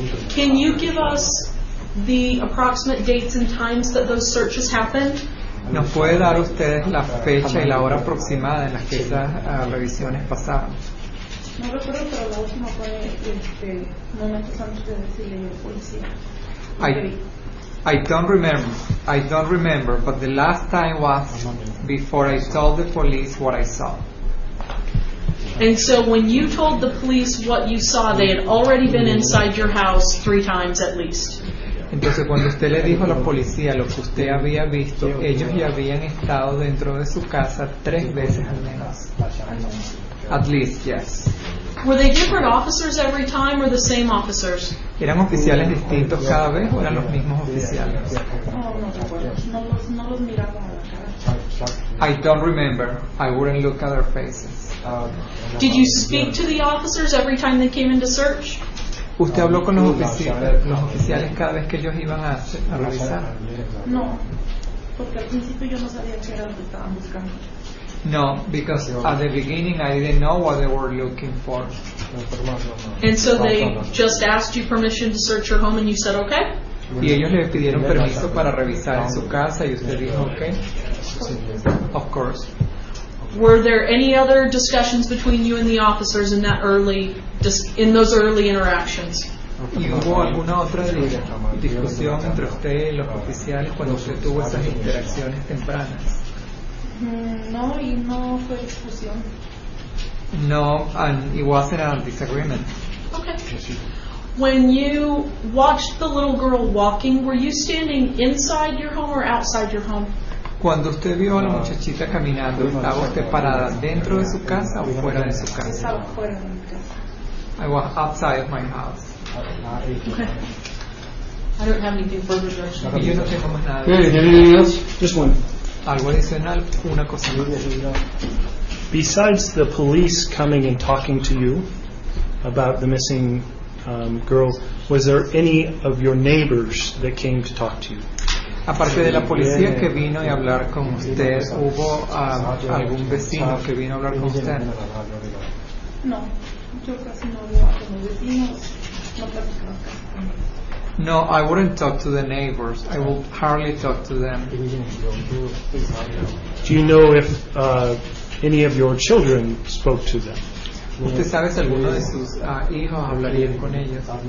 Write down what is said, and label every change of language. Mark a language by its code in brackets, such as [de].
[en] Can you give us the approximate dates and times that those searches happened? [es] ¿Nos puede dar ustedes la fecha y la hora aproximada en las que esas revisiones pasaron? No recuerdo, pero la última fue momentos antes de decirle a la policía. [en] I don't remember, but the last time was before I told the police what I saw. And so when you told the police what you saw, they had already been inside your house three times at least. [es] Entonces, cuando usted le dijo a la policía lo que usted había visto, ellos ya habían estado dentro de su casa tres veces al menos. [en] At least, yes. Were they different officers every time or the same officers? [es] ¿Eran oficiales distintos cada vez o eran los mismos oficiales? No los miraba a la cara. [en] I don't remember. I wouldn't look at their faces. Did you speak to the officers every time they came into search? [es] ¿Usted habló con los oficiales cada vez que ellos iban a revisar? No, porque al principio yo no sabía qué era lo que estaban buscando. [en] No, because at the beginning I didn't know what they were looking for. And so they just asked you permission to search your home and you said okay? [es] Y ellos le pidieron permiso para revisar en su casa y usted dijo okay? [en] Of course. Were there any other discussions between you and the officers in that early, in those early interactions? [es] ¿Y hubo alguna otra discusión entre usted y los oficiales cuando usted tuvo esas interacciones tempranas? No, y no fue discusión. [en] No, and it wasn't a disagreement. Okay. When you watched the little girl walking, were you standing inside your home or outside your home? [es] Cuando usted vio a la muchachita caminando, ¿estaba usted parada dentro de su casa o fuera de su casa? Estaba fuera de mi casa. [en] I was outside of my house. Okay. I don't have anything further to say. [es] Y yo no tengo más nada. [en] Just one. [es] Algo adicional, una cosa. [en] Besides the police coming and talking to you about the missing girl, was there any of your neighbors that came to talk to you? [es] Aparte de la policía que vino y hablar con usted, ¿hubo algún vecino que vino a hablar con usted? No, yo casi no hablaba con los vecinos, no platicaba casi con ellos. [en] No, I wouldn't talk to the neighbors. I would hardly talk to them. Do you know if any of your children spoke to them? [es] ¿Usted sabe si alguno de sus hijos hablaría con ellos?